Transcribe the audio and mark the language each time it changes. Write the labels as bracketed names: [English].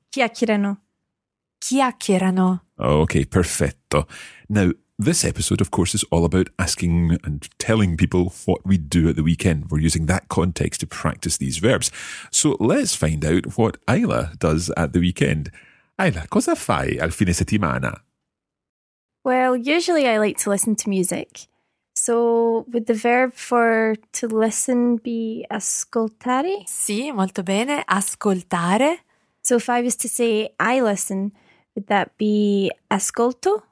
[Italian] Chiacchierano. Chiacchierano. Okay, perfetto. [English] Now, this episode, of course, is all about asking and telling people what we do at the weekend. We're using that context to practice these verbs. So let's find out what Ayla does at the weekend. [Italian] Ayla, cosa fai al fine settimana? [English] Well, usually I like to listen to music. So would the verb for to listen be ascoltare? [Italian] Sì, molto bene. Ascoltare. [English] So if I was to say I listen, would that be ascolto?